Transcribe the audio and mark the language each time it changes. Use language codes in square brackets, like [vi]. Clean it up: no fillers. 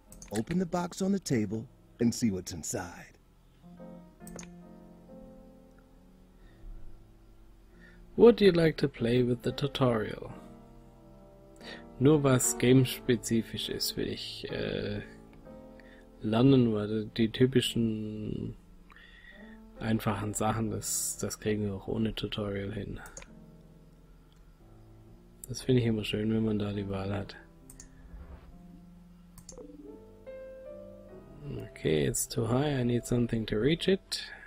[en] Open the box on the table and see what's inside. Would you like to play with the tutorial? [de] Nur was gamespezifisch ist, will ich lernen, weil die typischen einfachen Sachen, das kriegen wir auch ohne Tutorial hin. Das finde ich immer schön, wenn man da die Wahl hat. [en] Okay, it's too high, I need something to reach it.